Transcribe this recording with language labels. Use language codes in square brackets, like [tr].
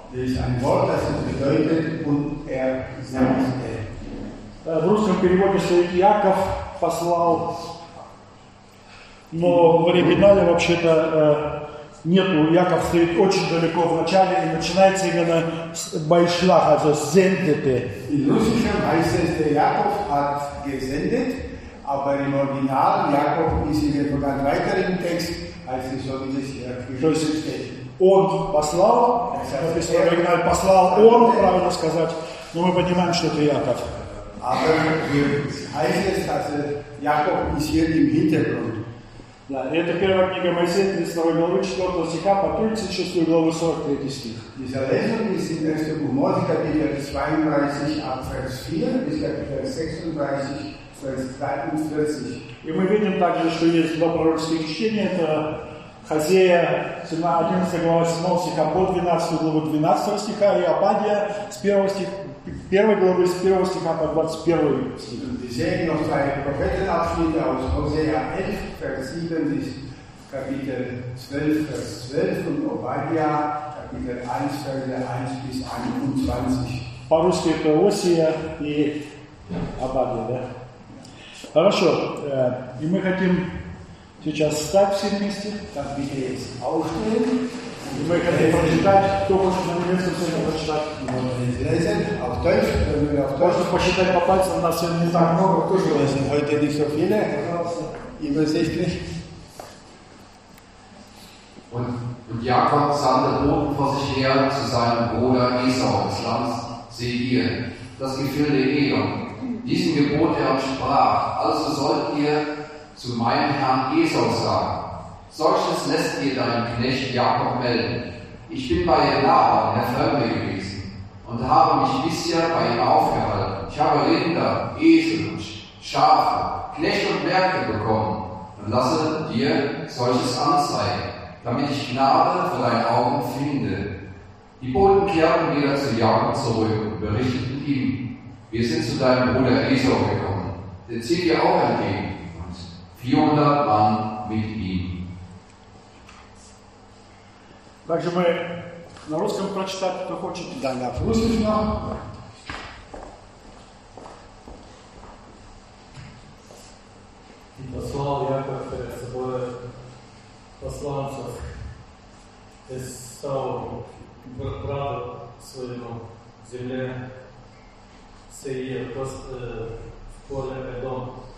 [ru] В русском переводе стоит «Яков послал», но в оригинале вообще-то нету. Яков стоит очень далеко в начале и начинается именно с «Байшлаха», то есть «зендете». [de] In russischen heißt es, der Jakob hat gesendet, aber im Original Jakob ist in einem ganz weiteren Text, als es so dieses hier geschrieben steht. [ru] Он послал, написано в оригинале, послал он, правильно сказать, но мы понимаем, что это Яков. [de] Aber hier heißt es, dass Jakob ist hier im Hintergrund. [ru] Да, это первая книга Моисея, 32 главы, 4 стиха, по 36 главы, 43 стих. [de] Diese Lesung ist in 1. Mose, Kapitel 32, ab Vers 4, bis Kapitel 36, Vers 43. [ru] И мы видим также, что есть два пророческих чтения, это Хозея, 11 глава 7 стиха, по 12 главу 12 стиха, и Обадия, с 1 стиха. Первой главы с 1 стиха по 21 стих. [de] Wir sehen noch zwei Prophetenabschnitte aus Hosea 11, Vers 7, Kapitel 12, Vers 12 und Obadja, Kapitel 1, Vers 1 bis 21. [ru] По-русски это Осия и Обадия, да? Хорошо, и мы хотим сейчас встать все вместе. [de] Так, bitte jetzt aufstehen. [ru] Мы хотим прочитать то, что на немецком сегодня прочитать. Можно посчитать по пальцам, у нас сегодня не так много. Кто же вас? [de] Heute nicht so viele. [ru] И вы здесь нет. [de] Und Jakob sandte Boten vor sich her zu seinem Bruder Esau des Landes Seir, das Gefilde Edom. Diesen Gebot er sprach, also sollt ihr zu meinem Herrn Esau sagen, solches lässt dir dein Knecht Jakob melden. Ich bin bei Laban, der Fremde, gewesen und habe mich bisher bei ihm aufgehalten. Ich habe Rinder, Esel und Schafe, Knecht und Märkte bekommen und lasse dir solches anzeigen, damit ich Gnade vor deinen Augen finde. Die Boten kehrten wieder zu Jakob zurück und berichteten ihm, wir sind zu deinem Bruder Esau gekommen, der zieht dir auch entgegen und 400 Mann mit ihm. [ru] Также мы на русском прочитать, кто хочет. Да, на русском. И послал Яков перед собой посланцев из того брата своего в земле Сеир, в поле Эдом.